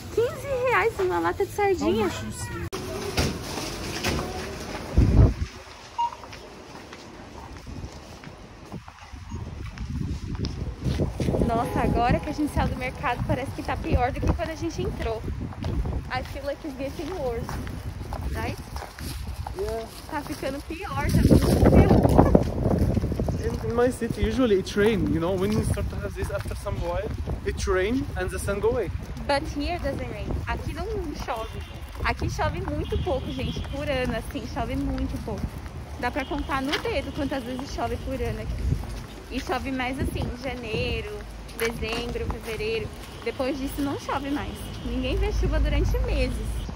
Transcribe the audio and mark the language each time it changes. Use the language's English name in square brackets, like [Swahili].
[Portuguese] 15 reais uma lata de sardinha. Nossa, agora que a gente saiu do mercado, parece que tá pior do que quando a gente entrou. [English] I feel like it's getting worse. Right? Yeah. [Portuguese] Tá ficando pior, tá ficando pior. [English] In my city, usually it rains, you know, when you start to have this after some while, it rains and the sun goes away. But here doesn't rain. [Portuguese] Aqui não chove. Aqui chove muito pouco, gente, por ano, assim, chove muito pouco. Dá pra contar no dedo quantas vezes chove por ano aqui. E chove mais assim, janeiro, dezembro, fevereiro. Depois disso não chove mais. Ninguém vê chuva durante meses.